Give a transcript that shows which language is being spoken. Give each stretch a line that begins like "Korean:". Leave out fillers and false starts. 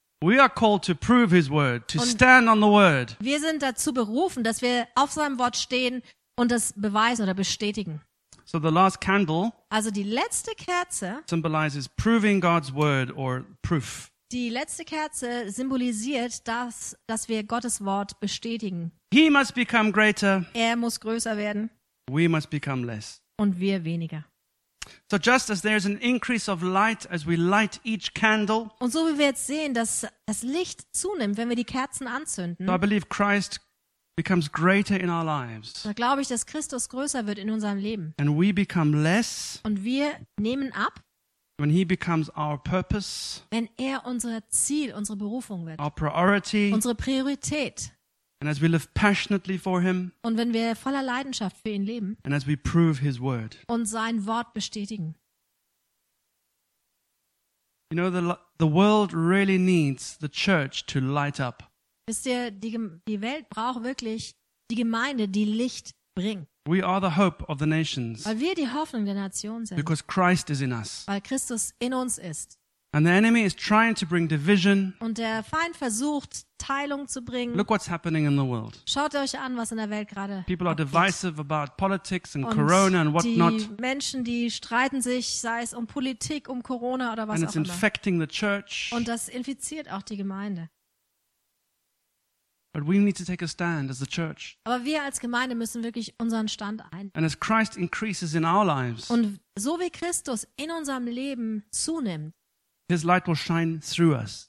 English: We are called to prove his word, to stand on the word.
German: Wir sind dazu berufen, dass wir auf seinem Wort stehen und das beweisen oder bestätigen.
English: So the last candle,
German: also die letzte Kerze,
English: symbolizes proving God's word or proof.
German: Die letzte Kerze symbolisiert das, dass wir Gottes Wort bestätigen.
English: He must become greater.
German: Er muss größer werden.
English: We must become less.
German: Und wir weniger.
English: So just as there is an increase of light as we light each candle.
German: Und so wie wir jetzt sehen, dass das Licht zunimmt, wenn wir die Kerzen anzünden.
English: So I believe Christ becomes greater in our lives.
German: Da glaube ich, dass Christus größer wird in unserem Leben.
English: And we become less.
German: Und wir nehmen ab.
English: When he becomes our purpose.
German: Wenn er unser Ziel, unsere Berufung wird.
English: Our priority.
German: Unsere Priorität.
English: And as we live passionately for him,
German: und wenn wir voller Leidenschaft für ihn leben,
English: and as we prove his word,
German: und sein Wort bestätigen.
English: You know, the world really needs the church to light up.
German: Wisst ihr, die Welt braucht wirklich die Gemeinde, die Licht bringt.
English: We are the hope of the nations,
German: weil wir die Hoffnung der Nationen sind.
English: Because Christ is in us,
German: weil Christus in uns ist.
English: And the enemy is trying to bring division.
German: Und der Feind versucht, Teilung zu bringen.
English: Look what's happening in the world.
German: Schaut euch an, was in der Welt gerade passiert.
English: People are divisive about politics and Corona and whatnot.
German: Die Menschen, die streiten sich, sei es um Politik, um Corona oder was
English: and
German: auch immer.
English: And it's infecting the church.
German: Und das infiziert auch die Gemeinde.
English: But we need to take a stand as the church.
German: Aber wir als Gemeinde müssen wirklich unseren Stand einnehmen.
English: And as Christ increases in our lives.
German: Und so wie Christus in unserem Leben zunimmt,
English: his light will shine through us.